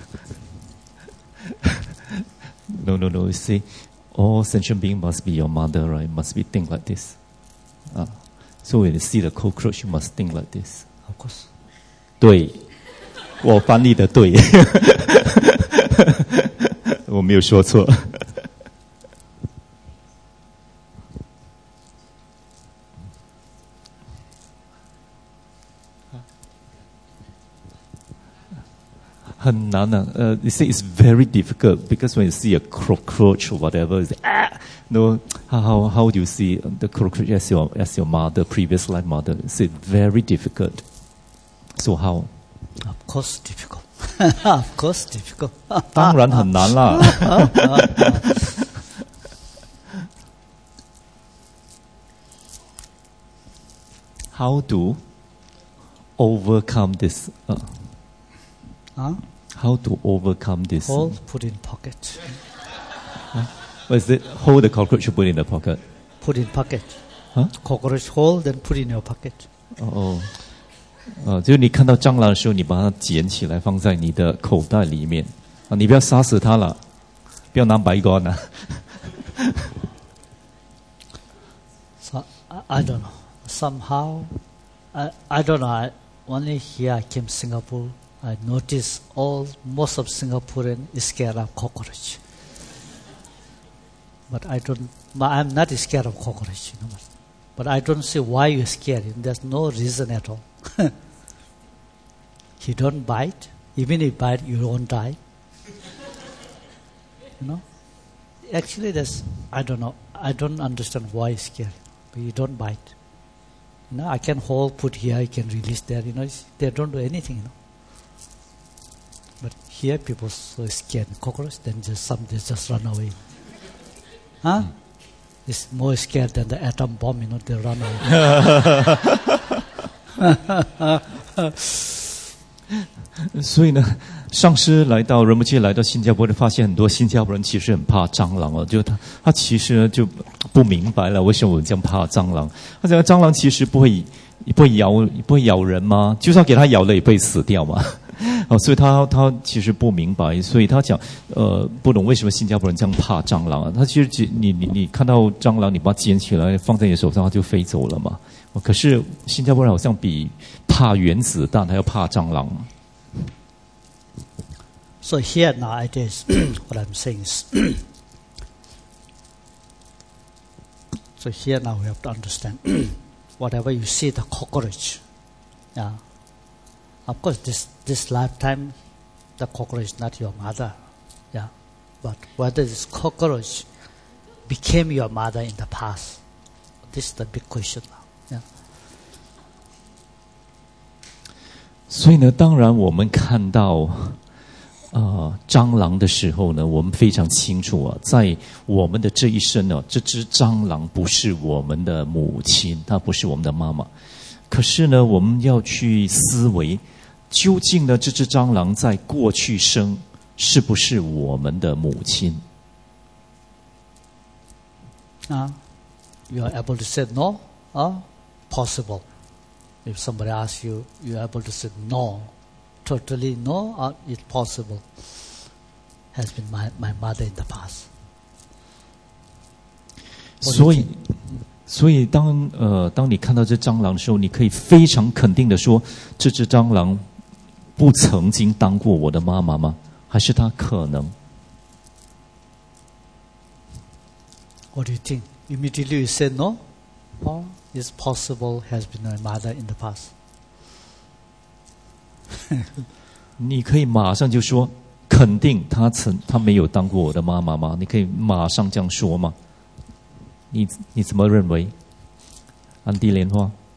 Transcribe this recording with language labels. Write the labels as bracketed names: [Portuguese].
[Chinese] 所以所有的众生都曾经是你的母亲。你看到蟑螂的时候，你要这样想。啊？ [English] No, no, no. See, all sentient beings must be your mother, right? Must be think like this. So when you see the cockroach, you must think like this. Of course. [Chinese] 对，我翻译的对， 我没有说错。很难啊。 [English] You see, it's very difficult because when you see a cockroach or whatever, you say, ah, no, how do you see the cockroach as your mother, previous life mother? You see, very difficult. So how? Of course, difficult. Of course, difficult. [Chinese] 当然很难啦。 [English] How to overcome this? How to overcome this? Hold, put in pocket. What is it? Hold the cockroach, put in the pocket. Put in pocket. Cockroach hold, then put in your pocket. Oh. [Chinese] 就是你看到蟑螂的时候，你把它捡起来，放在你的口袋里面。你不要杀死它了，不要拿白光啊。 [English] So, I don't know. Somehow, I don't know, only here I came to Singapore, I noticed most of Singaporeans are scared of cockroach. I'm not scared of cockroach, you know. But I don't see why you're scared, there's no reason at all. He don't bite, even if he bite, you don't die. You know? Actually, I don't understand why you're scared, but you don't bite. No, I can hold, put here, I can release there, you know, they don't do anything, you know. But here, people are so scared, cockroach, then they just run away. It's more scared than the atom bomb, you know, they run away. [Chinese] So, 呢上师来到仁波切来到新加坡发现很多新加坡人其实很怕蟑螂哦，就他其实就不明白了为什么我们这样怕蟑螂。他讲蟑螂其实不会咬人吗？就算给他咬了也不会死掉吗？哦，所以他其实不明白，所以他讲不懂为什么新加坡人这样怕蟑螂。他其实你看到蟑螂，你把它捡起来放在你手上，它就飞走了嘛。可是新加坡人好像比怕原子弹还要怕蟑螂。 [English] So here nowadays, what I'm saying is, so here now we have to understand, whatever you see the cockroach, yeah, of course this lifetime, the cockroach is not your mother, yeah, but whether this cockroach became your mother in the past, this is the big question now. [Chinese] 所以呢，当然我们看到蟑螂的时候呢，我们非常清楚啊，在我们的这一生呢，这只蟑螂不是我们的母亲，它不是我们的妈妈。可是呢，我们要去思维，究竟呢，这只蟑螂在过去生是不是我们的母亲？ [English] 啊，You are able to say no? Possible. If somebody asks you, you're able to say no, totally no, or it's possible, has been my mother in the past. [Chinese] 所以当你看到这蟑螂的时候，你可以非常肯定的说，这只蟑螂不曾经当过我的妈妈吗？还是它可能 [English] ？What do you think? Immediately you say no, or? It's possible has been my mother in the past. [Chinese] 你可以马上就说，肯定他没有当过我的妈妈吗？你可以马上这样说吗？你怎么认为？安迪莲花。